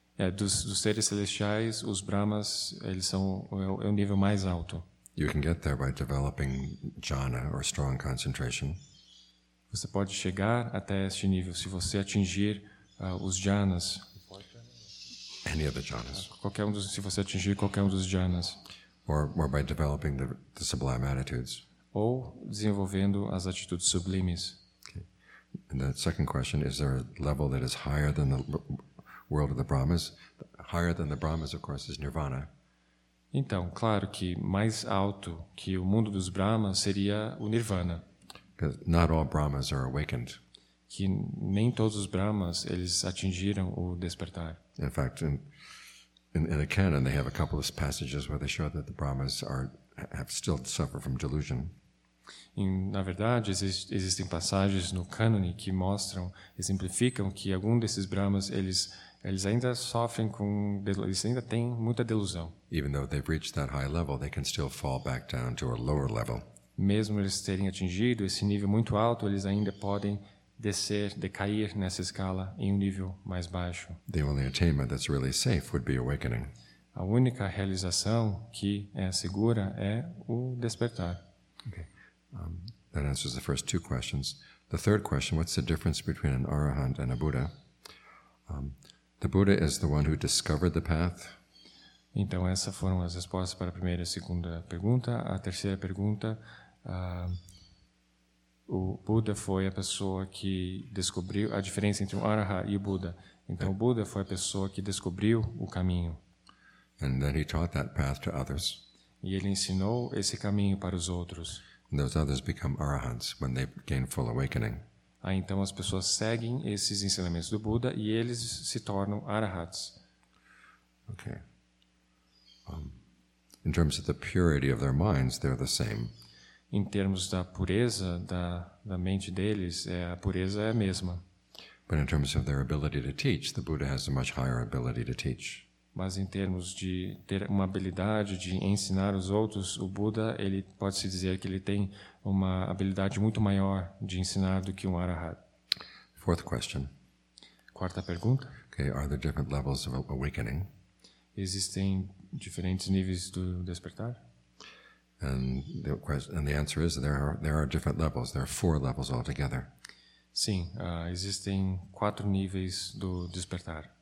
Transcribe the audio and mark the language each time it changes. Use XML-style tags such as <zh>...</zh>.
<pt>Dos seres celestiais, os Brahmas, eles são o nível mais alto.</pt> <en>You can get there by developing jhana or strong concentration.</en> <pt>Você pode chegar até este nível se você atingir os jhanas.</pt> <en>Any of the jhanas.</en> <pt>Se você atingir qualquer um dos jhanas.</pt> <en>Or by developing the sublime attitudes.</en> <pt>Ou desenvolvendo as atitudes sublimes.</pt> <en>And the second question, is there a level that is higher than the world of the Brahmas? Higher than the Brahmas, of course, is Nirvana.</en> <pt>Então, claro que mais alto que o mundo dos Brahmas seria o Nirvana.</pt> <en>Because not all Brahmas are awakened.</en> <pt>Que nem todos os Brahmas, eles atingiram o despertar.</pt> <en>In fact, in the canon, they have a couple of passages where they show that the Brahmas have still suffer from delusion.</en> <pt>Na verdade, existem passagens no cânone que mostram, exemplificam que algum desses Brahmas, eles ainda sofrem com, eles ainda têm muita delusão.</pt> <en>Even though they've reached that high level, they can still fall back down to a lower level.</en> <pt>Mesmo eles terem atingido esse nível muito alto, eles ainda podem decair nessa escala em um nível mais baixo.</pt> <en>The only attainment that's really safe would be awakening.</en> <pt>A única realização que é segura é o despertar.</pt> <en>Okay. That answers the first two questions. The third question, what's the difference between an Arahant and a Buddha? The Buddha is the one who discovered the path.</en> <pt>Então, essas foram as respostas para a primeira e a segunda pergunta. A terceira pergunta, o Buda foi a pessoa que descobriu a diferença entre um Arahant e o Buda. Então, o Buda foi a pessoa que descobriu o caminho.</pt> <en>And then he taught that path to others.</en> <pt>E ele ensinou esse caminho para os outros.</pt> <en>And those others become arahants when they gain full awakening.</en> <pt>Aí então as pessoas seguem esses ensinamentos do Buda e eles se tornam arahats.</pt> <en>Okay. In terms of the purity of their minds, they're the same.</en> <pt>Em termos da pureza da mente deles, a pureza é a mesma.</pt> <en>But in terms of their ability to teach, the Buddha has a much higher ability to teach.</en> <pt>Mas em termos de ter uma habilidade de ensinar os outros, o Buda, ele pode se dizer que ele tem uma habilidade muito maior de ensinar do que um Arahat.</pt> <en>Fourth question.</en> <pt>Quarta pergunta.</pt> <en>Okay, are there different levels of awakening?</en> <pt>Existem diferentes níveis do despertar?</pt> <en>And the answer is there are different levels. There are four levels altogether.</en> <pt>Sim, existem quatro níveis do despertar.</pt>